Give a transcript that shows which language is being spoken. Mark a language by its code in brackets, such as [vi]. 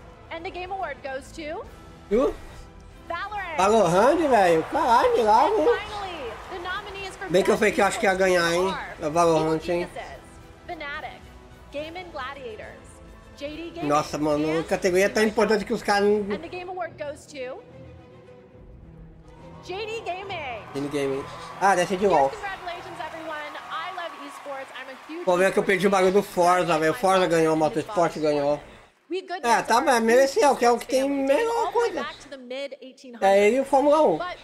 [en] And the game award goes to [pt] Valorant, velho. Caralho, lá, mano. Bem que eu falei que eu acho que ia ganhar, hein? Valorant, hein? Fnatic, Game and Gladiators, JD Game. Nossa, mano, a categoria é tão importante que os caras. [en] And the game award goes to JD Gaming. [pt] JD Gaming. Ah, deve ser de LOL. [en] Congratulations, everyone. I love esports. I'm a huge. [pt] Pô, vem que eu perdi o bagulho do Forza, velho. Forza ganhou, moto Sport ganhou. É, tá, mas mereceu, que é o que tem melhor coisa. É ele e o Fórmula 1.